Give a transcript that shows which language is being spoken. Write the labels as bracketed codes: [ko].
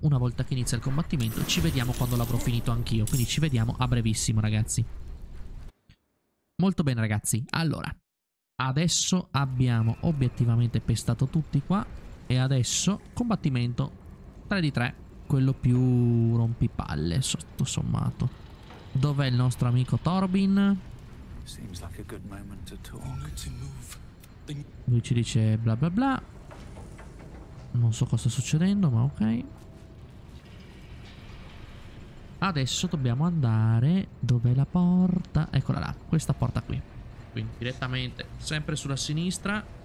[it] Una volta che inizia il combattimento, ci vediamo quando l'avrò finito anch'io. Quindi ci vediamo a brevissimo, ragazzi. Molto bene, ragazzi. Allora, adesso abbiamo obiettivamente pestato tutti qua. E adesso combattimento 3 di 3. Quello più rompipalle, sotto sommato. Dov'è il nostro amico Torbin? [en] Seems like a good moment to talk. [it] Lui ci dice bla bla bla. Non so cosa sta succedendo, ma ok. Adesso dobbiamo andare. Dov'è la porta? Eccola là, questa porta qui. Quindi direttamente, sempre sulla sinistra.